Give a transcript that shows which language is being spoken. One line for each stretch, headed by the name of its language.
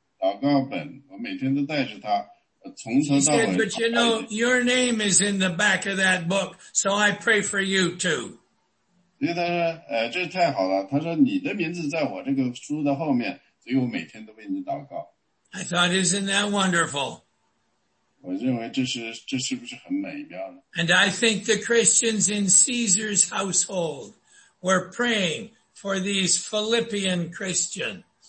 Chinese: 祷告本，我每天都带着他，从头到尾。
English: She said, but you know, your name is in the back of that book, so I pray for you too.
Chinese: 所以他说，这太好了。他说你的名字在我这个书的后面，所以我每天都为你祷告。
English: I thought, isn't that wonderful?
Chinese: 我认为这是不是很美妙呢？
English: And I think the Christians in Caesar's household were praying for these Philippian Christians.